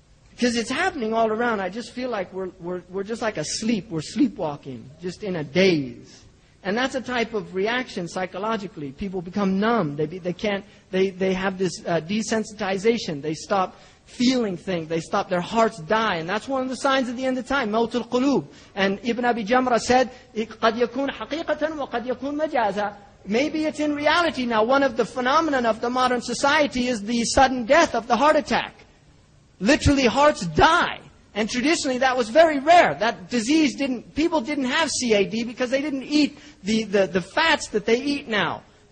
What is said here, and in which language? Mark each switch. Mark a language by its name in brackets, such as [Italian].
[English] Because it's happening all around. I just feel like we're just like asleep. We're sleepwalking, just in a daze. And that's a type of reaction psychologically. People become numb. They have this desensitization. They stop feeling things. They stop. Their hearts die. And that's one of the signs of the end of time. [Arabic] Maut al-qulub. [English] And Ibn Abi Jamrah said, [Arabic] قَدْ يَكُونَ حَقِيقَةً وَقَدْ يَكُونَ مَجَازًا. [English] Maybe it's in reality. Now, one of the phenomena of the modern society is the sudden death of the heart attack. Literally, hearts die. And traditionally, that was very rare. That disease didn't, people didn't have CAD because they didn't eat the fats that they eat now.